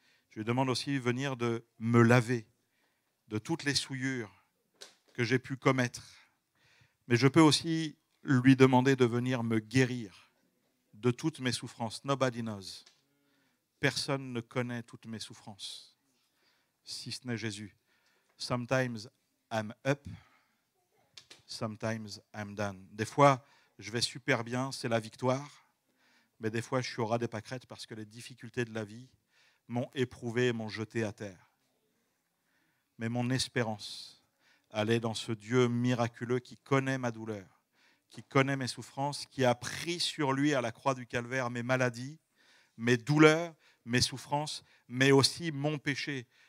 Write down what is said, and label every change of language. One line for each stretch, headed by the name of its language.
French: Je lui demande aussi de venir de me laver de toutes les souillures que j'ai pu commettre. Mais je peux aussi lui demander de venir me guérir de toutes mes souffrances.
English: Nobody knows.
French: Personne ne connaît toutes mes souffrances, si ce n'est Jésus.
English: Sometimes I'm up, sometimes I'm down.
French: Des fois, je vais super bien, c'est la victoire. Mais des fois, je suis au ras des pâquerettes parce que les difficultés de la vie m'ont éprouvé et m'ont jeté à terre. Mais mon espérance, elle est dans ce Dieu miraculeux qui connaît ma douleur, qui connaît mes souffrances, qui a pris sur lui à la croix du calvaire mes maladies, mes douleurs, mes souffrances, mais aussi mon péché.